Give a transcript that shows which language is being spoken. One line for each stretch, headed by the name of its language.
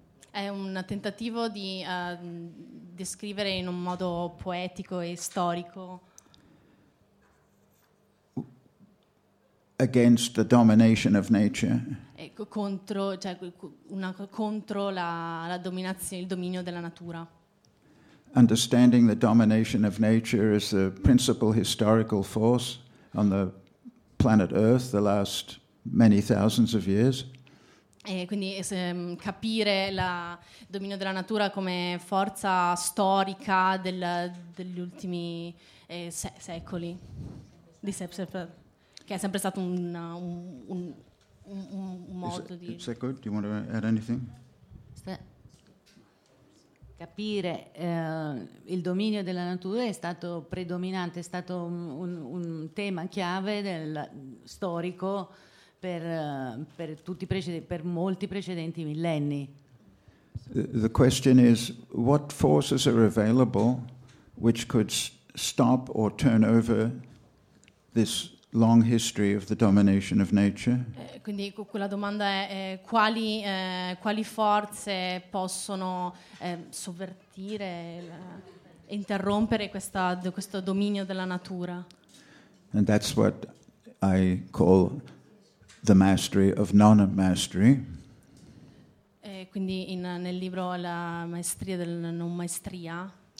Italian: È un tentativo di descrivere in un modo poetico e storico.
English: Against the domination of nature.
Italian: Ecco, contro, cioè, contro la dominazione, il dominio della natura.
English: Understanding the domination of nature is the principal historical force on the planet Earth the last many thousands of years.
Italian: E quindi capire il dominio della natura come forza storica degli ultimi secoli. Che è sempre stato un modo di...
English: Is that good? Do you want to add anything?
Italian: Capire il dominio della natura è stato predominante, è stato un tema chiave storico per molti precedenti millenni.
English: The question is, what forces are available which could stop or turn over this long history of the domination of nature?
Italian: Quindi quella domanda è quali forze possono sovvertire interrompere questo dominio della natura?
English: And that's what I call the mastery of non-mastery.
Italian: Quindi nel libro la maestria della non maestria.